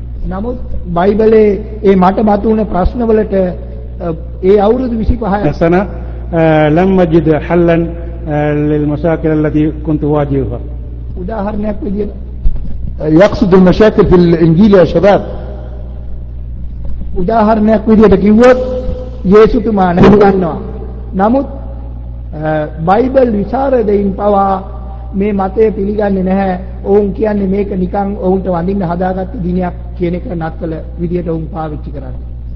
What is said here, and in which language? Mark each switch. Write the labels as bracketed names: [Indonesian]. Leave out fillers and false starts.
[Sinhala] නමුත් බයිබලයේ ඒ මට බතුණ ප්‍රශ්න වලට ඒ අවුරුදු 25 [Arabic] سنة لم أجد حلاً للمشاكل التي كنت أواجهها. [Sinhala] උදාහරණයක් විදියට [Arabic] يقصد المشاكل في الإنجيل يا شباب. [Sinhala] උදාහරණයක් විදියට කිව්වොත් යේසුතුමා නැතිවන්නවා. නමුත් බයිබල් විචාරදයින් පවා මේ මතය පිළිගන්නේ නැහැ. ඔවුන් කියන්නේ මේක නිකන් ඔවුන්ට වඳින්න හදාගත්ත දිනයක් කියන එක නත්තල විදියට ඔවුන් පාවිච්චි කරන්නේ.